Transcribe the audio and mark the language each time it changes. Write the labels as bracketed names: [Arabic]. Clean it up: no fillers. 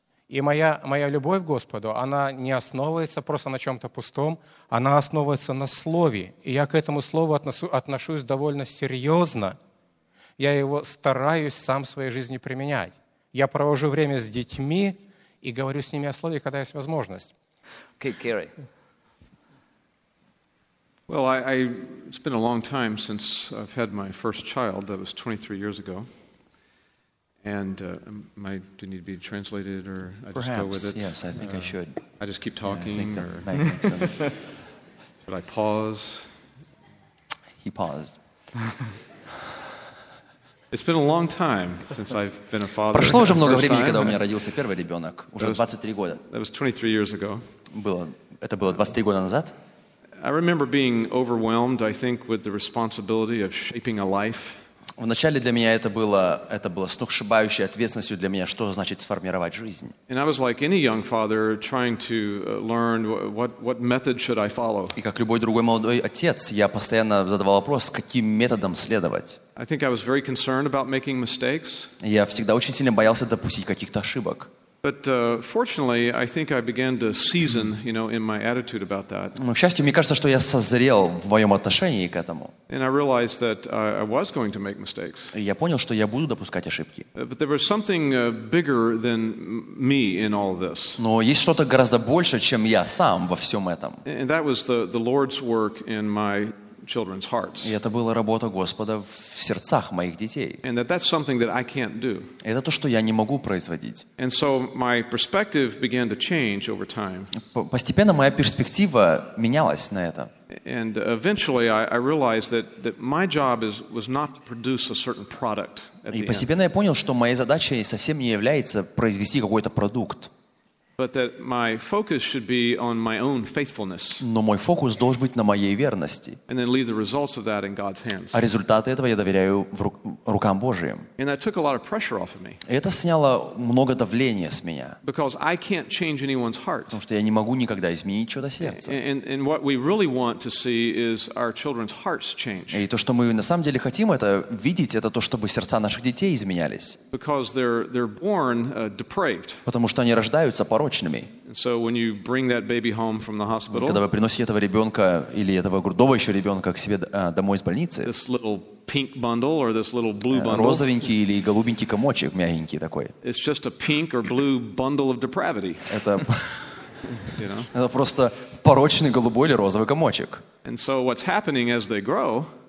[Russian] И моя любовь к Господу, она не основывается просто на чем-то пустом, она основывается на слове. И я к этому слову отношусь довольно серьезно. Я его стараюсь сам в своей жизни применять. Я провожу время с детьми и говорю с ними о слове, когда есть возможность. [English] Okay, Kerry. Well, it's been a long time since I've had my first child. That was 23 years ago. And do you need to be translated, or I perhaps just go with it? Yes, I think I should. I just keep talking. Yeah, I think that might make sense. But I pause. He paused. It's been a long time since I've been a father. [Russian] Прошло уже много времени, когда у меня родился первый ребенок. Уже 23 года. [English] That was 23 years ago. [Russian] Это было 23 года назад. [English] I remember being overwhelmed, I think, with the responsibility of shaping a life. [Russian] Вначале для меня это было сногсшибающей ответственностью для меня, что значит сформировать жизнь. [English] And I was like any young father trying to learn what method should I follow. [Russian] И как любой другой молодой отец, я постоянно задавал вопрос, каким методом следовать. [English] I think I was very concerned about making mistakes. [Russian] Я всегда очень сильно боялся допустить каких-то ошибок. [English] But fortunately, I think I began to season, you know, in my attitude about that. [Russian] Но, к счастью, мне кажется, что я созрел в моем отношении к этому. [English] And I realized that I was going to make mistakes. [Russian] И я понял, что я буду допускать ошибки. [English] But there was something bigger than me in all this. [Russian] Но есть что-то гораздо больше, чем я сам во всем этом. [English] And that was the Lord's work in my children's hearts. [Russian] И это была работа Господа в сердцах моих детей. [English] And that's something that I can't do. [Russian] Это то, что я не могу производить. [English] And so my perspective began to change over time. [Russian] Постепенно моя перспектива менялась на это. [English] And eventually I realized that my job was not to produce a certain product. [Russian] И постепенно я понял, что моей задачей совсем не является произвести какой-то продукт. [English] But that my focus should be on my own faithfulness. [Russian] Но мой фокус должен быть на моей верности. [English] And then leave the results of that in God's hands. [Russian] А результаты этого я доверяю рукам Божьим. [English] And that took a lot of pressure off of me. [Russian] Это сняло много давления с меня. [English] Because I can't change anyone's heart. [Russian] Потому что я не могу никогда изменить чьё-то сердце. [English] And what we really want to see is our children's hearts change. [Russian] И то, что мы на самом деле хотим это видеть, это то, чтобы сердца наших детей изменялись. [English] Because they're born depraved. [Russian] Потому что они рождаются по [English] And so when you bring that baby home from the hospital, [Russian] когда вы приносите этого ребенка или этого грудного еще ребенка к себе домой из больницы, [English] this little pink bundle or this little blue bundle, [Russian] розовенький или голубенький комочек, мягенький такой, [English] it's just a pink or blue bundle of depravity. [Russian] Это просто порочный голубой или розовый комочек. [English] And so what's happening as they grow?